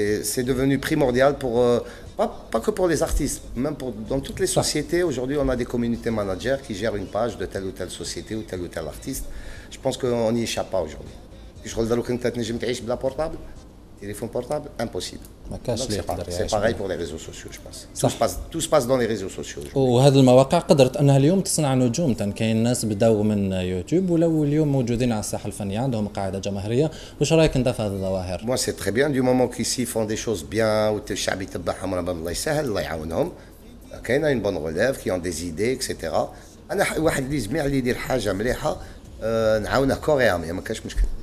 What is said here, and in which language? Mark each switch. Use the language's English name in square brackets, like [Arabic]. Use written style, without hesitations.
[French] c'est devenu primordial pour, pas que pour les artistes, même pour, dans toutes les sociétés. Aujourd'hui, on a des community managers qui gèrent une page de telle ou telle société ou tel artiste. Je pense qu'on n'y échappe pas aujourd'hui. Je crois que tu as une page portable. Téléphone portable, impossible. C'est pareil pour les réseaux sociaux, je pense. Tout se passe dans les réseaux sociaux. [Arabic] Ou هذه المواقع قدرت انها اليوم تصنع نجوم. كاين الناس بداو من يوتيوب ولو اليوم موجودين على الساحه الفنيه عندهم قاعده جماهيريه. واش رايك انت في هذه الظواهر؟ [French] Moi c'est très bien du moment qu'ici font des choses bien ou que le [Arabic] الشعب يتبعهم ربي الله يسهل الله يعاونهم. [French] كاينه une bonne relève qui ont des idées etc. [Arabic] انا واحد اللي سمع لي يدير حاجه مليحه نعاونه كوريام ما كاش مشكل.